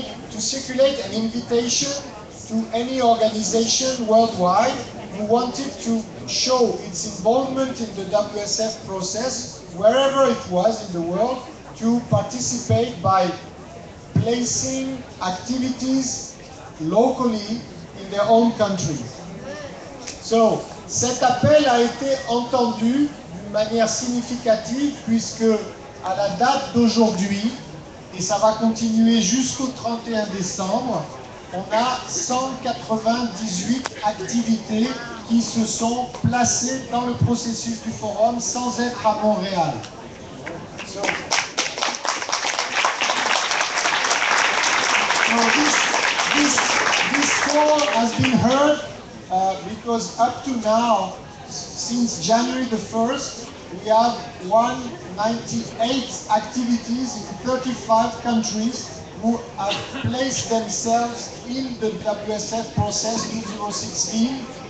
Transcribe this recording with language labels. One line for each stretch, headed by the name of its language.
English: to circulate an invitation to any organization worldwide who wanted to show its involvement in the WSF process, wherever it was in the world, to participate by placing activities locally in their own country.
French: So, cet appel a été entendu d'une manière significative puisque à la date d'aujourd'hui, et ça va continuer jusqu'au 31 décembre, on a 198 activités qui se sont placées dans le processus du forum sans être à Montréal.
English: This call has been heard because up to now, since January the 1st, we have 198 activities in 35 countries who have placed themselves in the WSF process 2016.